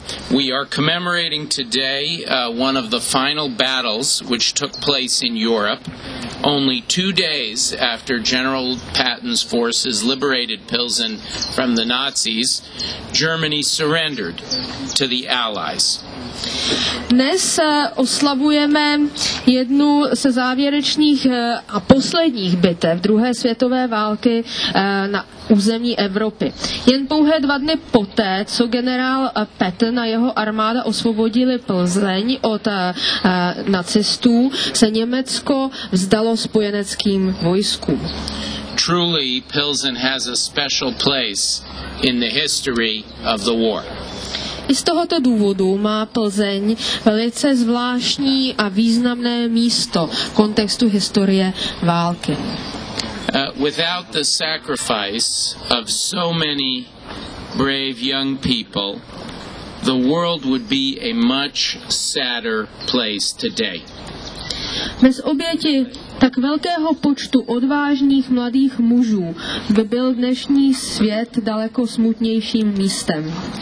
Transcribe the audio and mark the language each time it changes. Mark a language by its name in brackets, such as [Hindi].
[English] We are commemorating today one of the final battles which took place in Europe only 2 days after General Patton's forces liberated Pilsen from the Nazis. Germany surrendered to the Allies. [Czech] Dnes oslavujeme jednu ze závěrečných a posledních bitev druhé světové války na území Evropy. Jen pouhé 2 dny poté, co generál Patton a jeho armáda osvobodili Plzeň od nacistů, se Německo vzdalo spojeneckým vojskům. [English] Truly, Pilsen has a special place in the history of the war. [Czech] I z tohoto důvodu má Plzeň velice zvláštní a významné místo v kontextu historie války. [English] Without the sacrifice of so many brave young people, the world would be a much sadder place today. [Czech] Bez oběti tak velkého počtu odvážných mladých mužů by byl dnešní svět daleko smutnějším místem.